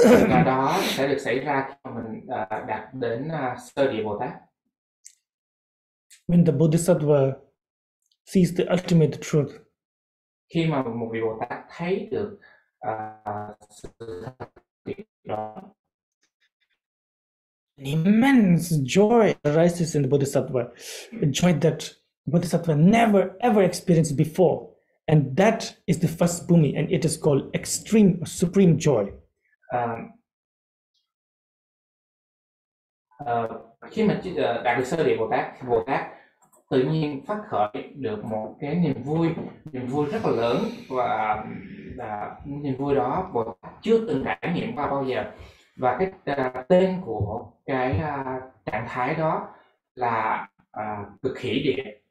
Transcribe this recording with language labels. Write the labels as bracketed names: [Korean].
[Vietnamese] Và đó sẽ được xảy ra khi mình đạt đến sơ địa Bồ Tát. [English] When the Bodhisattva sees the ultimate truth. [Vietnamese] Khi mà một vị Bồ Tát thấy được sự thật đó, [English] an immense joy arises in the Bodhisattva, a joy that Bodhisattva never ever experienced before. And that is the first bhumi, and it is called extreme or supreme joy. [Vietnamese] Khi mà đạt được sơ địa Bồ Tát, Bồ Tát tự nhiên phát khởi được một cái niềm vui rất là lớn, và niềm vui đó Bồ Tát chưa từng trải nghiệm qua bao giờ. Và cái tên của cái trạng thái đó là cực hỷ địa.